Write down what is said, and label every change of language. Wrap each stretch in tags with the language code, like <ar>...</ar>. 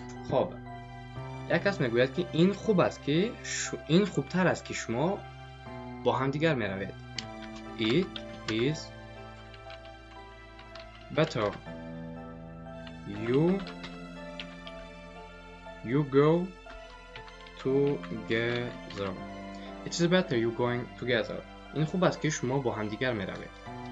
<fa>خب یک کس میگوید که این خوب است که این خوبتر است که شما با هم دیگر میروید.</fa> <en>It is better you go together. It is better you going together.</en> <fa>این خوب است که شما با هم دیگر میروید.</fa>